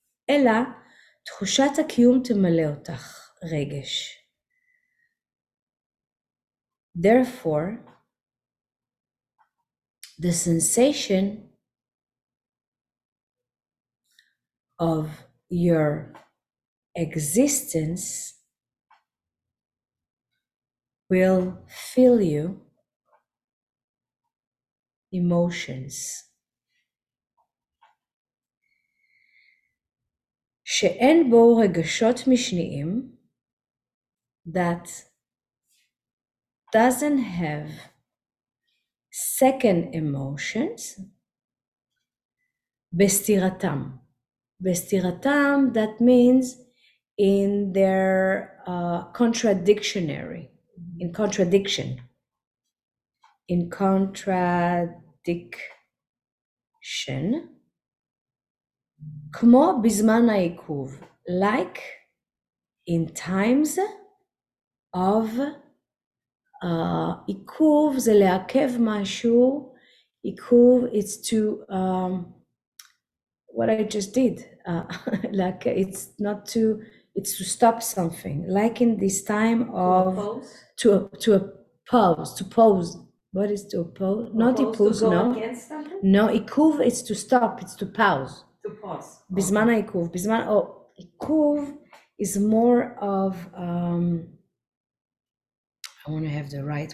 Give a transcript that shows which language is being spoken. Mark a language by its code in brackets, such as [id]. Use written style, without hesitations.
[he] אלא, תחושת הקיום תמלא אותך רגש. [en] Therefore, the sensation of your existence will fill you emotions. [he] שאין בו רגשות משניים, [en] that doesn't have second emotions, [he] בסתירתם. בסתירתם, [en] that means in their contradictionary, in contradiction. In contradiction. [he] כמו בזמן העיכוב, [en] like in times of [he] עיכוב זה לעכב משהו, [en] עיכוב it's to, what I just did, like it's not to, it's to stop something, like in this time of, to oppose, what is to oppose, not oppose, to go no. against them? No, עיכוב it's to stop, it's to pause. [he] בזמן העיכוב, בזמן, או עיכוב [en] is more of, I want to have the right